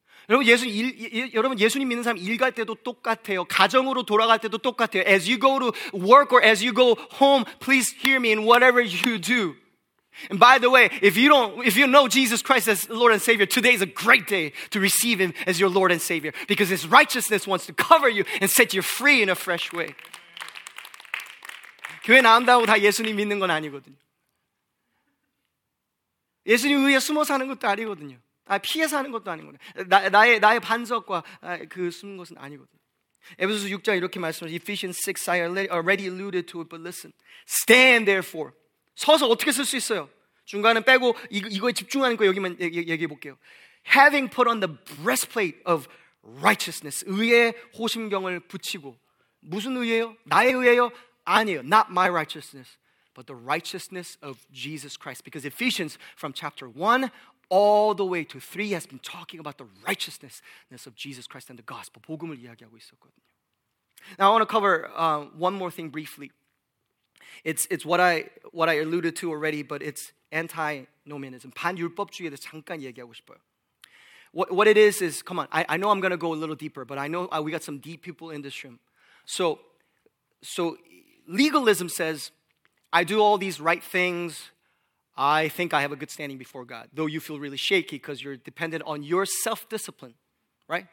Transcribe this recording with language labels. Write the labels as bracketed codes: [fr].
[ko] 여러분, 여러분 예수님 믿는 사람 일 갈 때도 똑같아요. 가정으로 돌아갈 때도 똑같아요. [en] As you go to work or as you go home, please hear me in whatever you do. And by the way, if you know Jesus Christ as Lord and Savior, today is a great day to receive him as your Lord and Savior because his righteousness wants to cover you and set you free in a fresh way. [ko] 교회 나온다고 다 예수님 믿는 건 아니거든요. 예수님 위에 숨어 사는 것도 아니거든요. 아, 피해서 하는 것도 아닌 거네. 나의 반석과 아, 그 숨은 것은 아니거든. 에베소서 6장 이렇게 말씀하죠. [en] Ephesians 6, I already alluded to it, but listen. Stand therefore. [ko] 서서 어떻게 쓸 수 있어요? 중간은 빼고 이거에 집중하는 거 여기만 얘기해 볼게요. [en] Having put on the breastplate of righteousness. [ko] 의의 호심경을 붙이고. 무슨 의예요? 나의 의예요? 아니에요. [en] Not my righteousness, but the righteousness of Jesus Christ. Because Ephesians from chapter 1, all the way to 3 has been talking about the righteousness of Jesus Christ and the gospel. [ko] 복음을 이야기하고 있었거든요. [en] Now I want to cover one more thing briefly. It's what I alluded to already, but it's antinomianism. [ko] 반율법주의에 대해서 잠깐 얘기하고 싶어요. [en] What it is, come on, I know I'm going to go a little deeper, but I know we got some deep people in this room. So legalism says, I do all these right things, I think I have a good standing before God, though you feel really shaky because you're dependent on your self-discipline, right?